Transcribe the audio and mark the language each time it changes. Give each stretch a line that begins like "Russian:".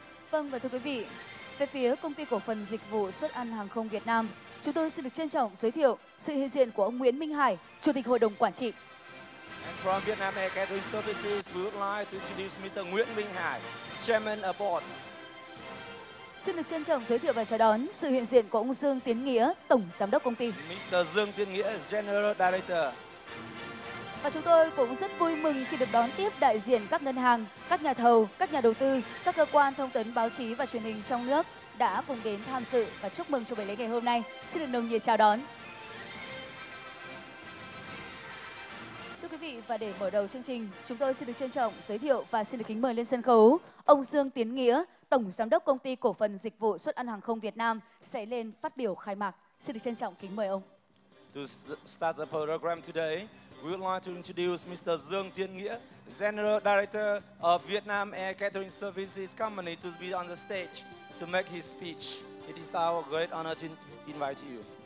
Vietnamese: Vâng, và thưa quý vị, về phía Công ty Cổ phần Dịch vụ Xuất ăn Hàng không Việt Nam, chúng tôi xin được trân trọng giới thiệu sự hiện diện của ông Nguyễn Minh Hải, Chủ tịch Hội đồng Quản trị.
English: And from Vietnam Air Catering Services, we would like to introduce Mr. Nguyễn Minh Hải, Chairman of Board.
Vietnamese: Xin được trân trọng giới thiệu và chào đón sự hiện diện của ông Dương Tiến Nghĩa, Tổng Giám đốc Công ty.
English: Mr. Dương Tiến Nghĩa, General Director.
Vietnamese: Và chúng tôi cũng rất vui mừng khi được đón tiếp đại diện các ngân hàng, các nhà thầu, các nhà đầu tư, các cơ quan thông tấn báo chí và truyền hình trong nước đã cùng đến tham dự và chúc mừng cho buổi lễ ngày hôm nay. Xin được nồng nhiệt chào đón. Thưa quý vị, và để mở đầu chương trình, chúng tôi xin được trân trọng giới thiệu và xin được kính mời lên sân khấu ông Dương Tiến Nghĩa, Tổng Giám đốc Công ty Cổ phần Dịch vụ Xuất ăn Hàng không Việt Nam sẽ lên phát biểu khai mạc. Xin được trân trọng kính mời ông.
English: To start the program today, we would like to introduce Mr. Dương Tiến Nghĩa, General Director of Vietnam Air Catering Services Company, to be on the stage to make his speech. It is our great honor to invite you.